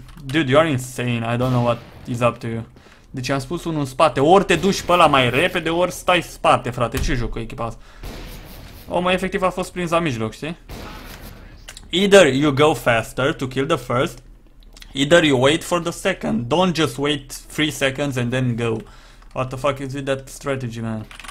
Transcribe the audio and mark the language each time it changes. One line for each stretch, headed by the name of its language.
English: Dude, you are insane, I don't know what is up to you.
Romanian: Deci am spus unul în spate, ori te duci pe ăla mai repede, ori stai spate, frate, ce joc cu echipa asta? Omul efectiv a fost prins la mijloc, știi?
English: Either you go faster to kill the first, either you wait for the second. Don't just wait 3 seconds and then go. What the fuck is with that strategy, man?